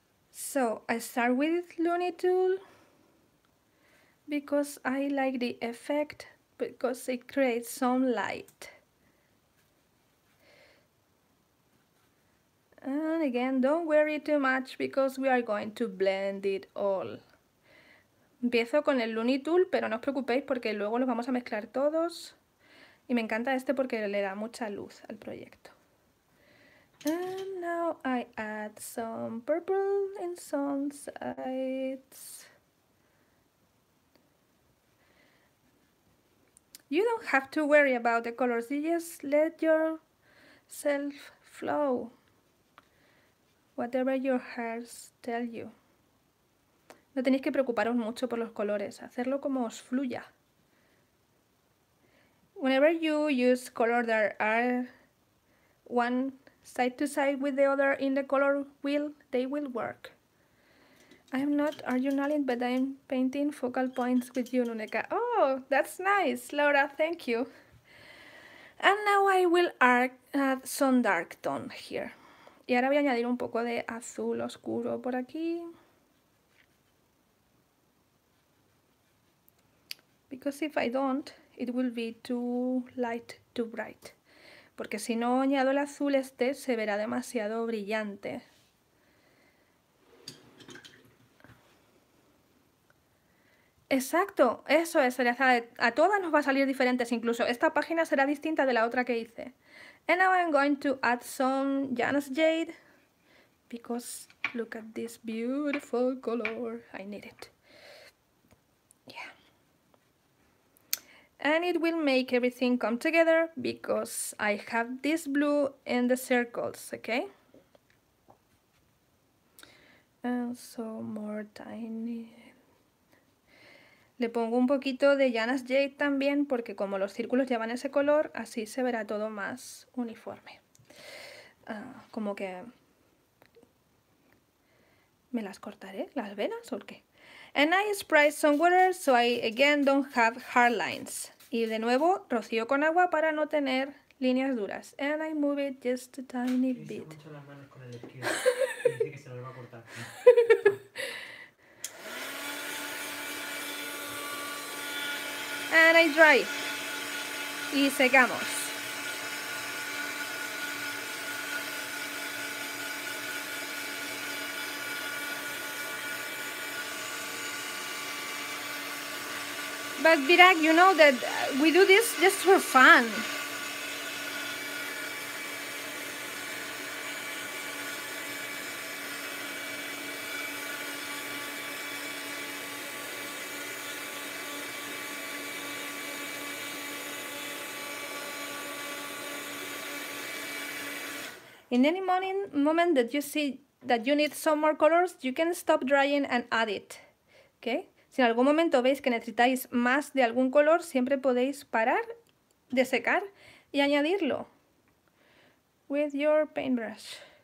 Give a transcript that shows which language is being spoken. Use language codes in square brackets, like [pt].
[en] So, I start with Looney Tool because I like the effect because it creates some light. And again, don't worry too much because we are going to blend it all. [es] Empiezo con el Looney Tool, pero no os preocupéis porque luego los vamos a mezclar todos. Y me encanta este porque le da mucha luz al proyecto. [en] And now I add some purple in some sides. You don't have to worry about the colors, you just let yourself flow. Whatever your hearts tell you. [es] No tenéis que preocuparos mucho por los colores, hacerlo como os fluya. [en] Whenever you use colors that are one side to side with the other in the color wheel, they will work. I'm not journaling, but I'm painting focal points with you, Nuneka. Oh, that's nice, Laura, thank you. And now I will add some dark tone here. [es] Y ahora voy a añadir un poco de azul oscuro por aquí. [en] Because if I don't, it will be too light, too bright. [es] Porque si no añado el azul este, se verá demasiado brillante. ¡Exacto! Eso es. A todas nos va a salir diferentes incluso. Esta página será distinta de la otra que hice. [en] And now I'm going to add some Janus Jade. Because look at this beautiful color. I need it. And it will make everything come together because I have this blue in the circles, okay? And some more tiny. [es] Le pongo un poquito de Janus Jade también porque como los círculos llevan ese color, así se verá todo más uniforme. Como que me las cortaré, las venas o qué? [en] And I spray some water so I again don't have hard lines. [es] Y de nuevo, rocío con agua para no tener líneas duras. [en] And I move it just a tiny bit. [es] Se mucho las manos con el esquí. Dice que se lo va a cortar. [en] And I dry. [es] Y secamos. [en] But Virag, you know that we do this just for fun. In any moment that you see that you need some more colors, you can stop drying and add it, okay? [es] Si en algún momento veis que necesitáis más de algún color, siempre podéis parar de secar y añadirlo. [en] With your paintbrush.